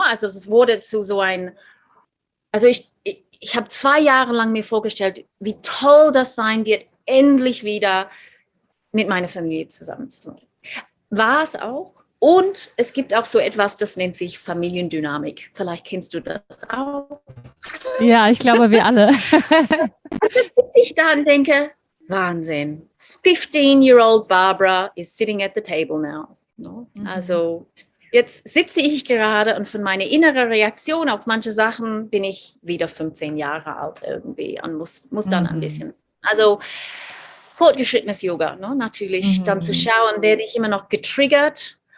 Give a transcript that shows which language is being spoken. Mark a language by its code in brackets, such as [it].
[de] Also es wurde zu so ein, also ich habe zwei Jahre lang mir vorgestellt, wie toll das sein wird, endlich wieder mit meiner Familie zusammen zu sein. War es auch. Und es gibt auch so etwas, das nennt sich Familiendynamik. Vielleicht kennst du das auch. Ja, ich glaube, wir alle. Ich dann denke, Wahnsinn. [en] 15-year-old Barbara is sitting at the table now. No? Mhm. [de] Also jetzt sitze ich gerade und von meiner inneren Reaktion auf manche Sachen bin ich wieder 15 Jahre alt irgendwie und muss dann ein bisschen. Also fortgeschrittenes Yoga, no? Natürlich dann zu schauen, werde ich immer noch getriggert?